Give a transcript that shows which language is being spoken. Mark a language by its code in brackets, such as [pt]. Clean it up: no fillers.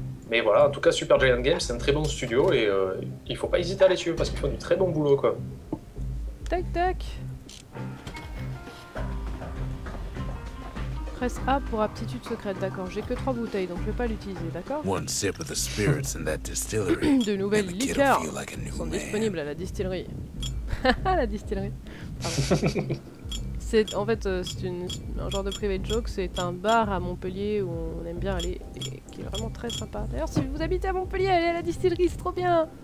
[fr] Mais voilà, en tout cas, Super Giant Games, c'est un très bon studio et il faut pas hésiter à les suivre parce qu'ils font du très bon boulot, quoi. Tac, tac. Presse A pour aptitude secrète, d'accord. J'ai que 3 bouteilles, donc je vais pas l'utiliser, d'accord. [en] One sip of the spirits in that distillery. [fr] De nouvelles liqueurs like sont disponibles à la distillerie. La distillerie. C'est, en fait, c'est un genre de private joke. C'est un bar à Montpellier où on aime bien aller et qui est vraiment très sympa. D'ailleurs, si vous habitez à Montpellier, allez à la distillerie, c'est trop bien.